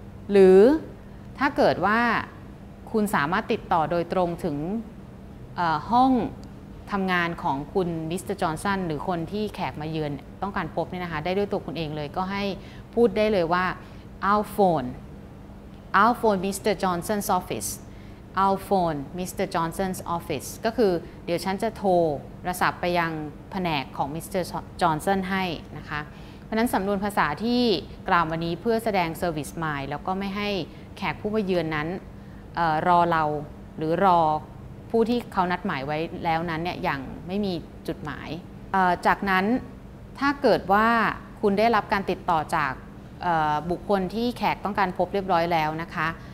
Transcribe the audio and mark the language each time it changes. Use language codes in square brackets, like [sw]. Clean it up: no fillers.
[th] หรือถ้าเกิดว่าคุณสามารถติดต่อโดยตรงถึงห้องทำงานของคุณมิสเตอร์จอห์นสันหรือคนที่แขกมาเยือนต้องการพบเนี่ยนะคะได้ด้วยตัวคุณเองเลยก็ให้พูดได้เลยว่า [en] I'll phone Mr. Johnson's office I'll phone Mr. [th] Johnson's office ก็คือเดี๋ยวฉันจะโทรศัพท์ไปยังแผนกของมิสเตอร์จอห์นสันให้นะคะเพราะนั้นสำนวนภาษาที่กล่าววันนี้เพื่อแสดง service mind แล้วก็ไม่ให้แขกผู้มาเยือนนั้นรอเราหรือรอผู้ที่เขานัดหมายไว้แล้วนั้นเนี่ยยังไม่มีจุดหมายจากนั้นถ้าเกิดว่าคุณได้รับการติดต่อจากบุคคลที่แขกต้องการพบเรียบร้อยแล้วนะคะ